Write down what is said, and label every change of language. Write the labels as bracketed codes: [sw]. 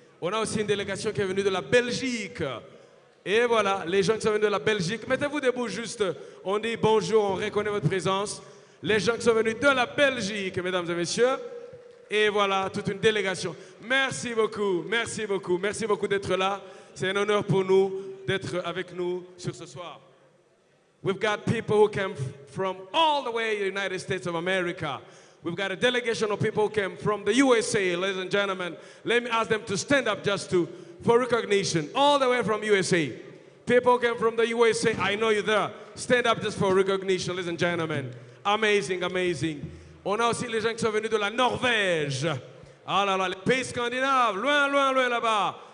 [fr] On a aussi une délégation qui est venue de la Belgique. Et voilà, les gens qui sont venus de la Belgique, mettez-vous debout juste, on dit bonjour, on reconnaît votre présence. Les gens qui sont venus de la Belgique, mesdames et messieurs, et voilà, toute une délégation. Merci beaucoup, merci beaucoup, merci beaucoup d'être là. C'est un honneur pour nous d'être avec nous sur ce soir. [en] We've got people who came from all the way in the United States of America. We've got a delegation of people who came from the USA, ladies and gentlemen. Let me ask them to stand up just to... for recognition, all the way from USA. People came from the USA, I know you're there. Stand up just for recognition, ladies and gentlemen. Amazing, amazing. [fr] On a aussi les gens qui sont venus de la Norvège. Ah là là, les pays scandinaves, loin, loin, loin là-bas.